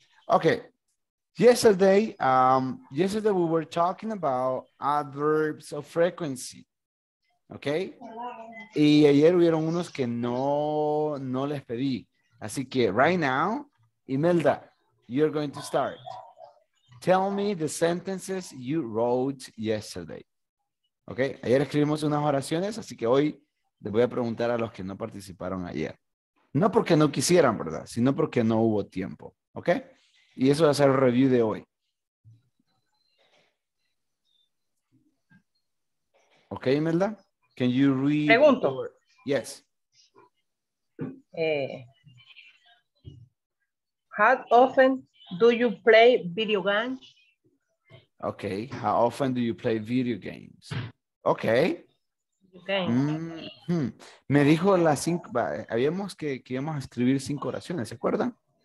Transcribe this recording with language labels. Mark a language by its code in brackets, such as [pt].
[en] Okay, yesterday we were talking about adverbs of frequency. [es] Okay, y ayer hubieron unos que no les pedí. Así que [en] right now, Imelda, you're going to start. Tell me the sentences you wrote yesterday. [es] Okay, ayer escribimos unas oraciones, así que hoy les voy a preguntar a los que no participaron ayer. No porque no quisieran, ¿verdad? Sino porque no hubo tiempo. ¿Ok? Y eso va a ser el review de hoy. [en] ¿Ok, Imelda? Can you read? [es] Pregunto. Or... [en] Yes. How often do you play video games? Okay. How often do you play video games? Okay. Mm-hmm. [es] Me dijo las cinco, habíamos que íbamos a escribir cinco oraciones, ¿se acuerdan?